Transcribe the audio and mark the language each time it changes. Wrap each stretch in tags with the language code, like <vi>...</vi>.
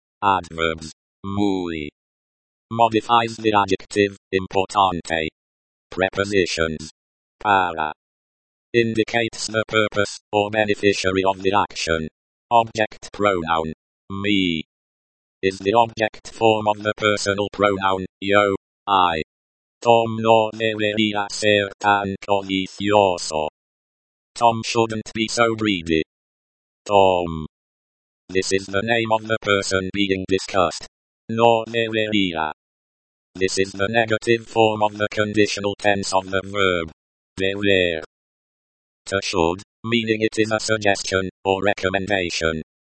<en>Adverbs. Muy. Modifies the adjective, importante. Prepositions. Para. Indicates the purpose, or beneficiary of the action. Object pronoun. Me. Is the object form of the personal pronoun, yo, I.</en> <es>Tom no debería ser tan codicioso.</es> <en>Tom shouldn't be so greedy. Tom. This is the name of the person being discussed.</en> <es>No debería.</es> <en>This is the negative form of the conditional tense of the verb. Deber. To should, meaning it is a suggestion, or recommendation.</en>